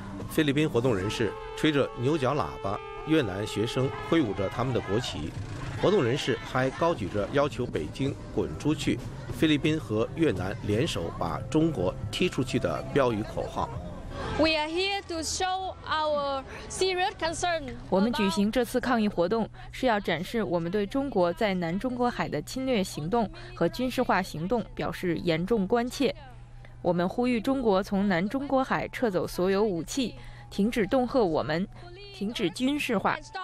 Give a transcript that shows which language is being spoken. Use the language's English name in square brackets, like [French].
[Chinese] 菲律宾活动人士吹着牛角喇叭，越南学生挥舞着他们的国旗，活动人士还高举着要求北京滚出去、菲律宾和越南联手把中国踢出去的标语口号。 [English] We are here to show our serious concern. [Chinese] 我们举行这次抗议活动是要展示我们对中国在南中国海的侵略行动和军事化行动表示严重关切。我们呼吁中国从南中国海撤走所有武器，停止恫吓我们，停止军事化。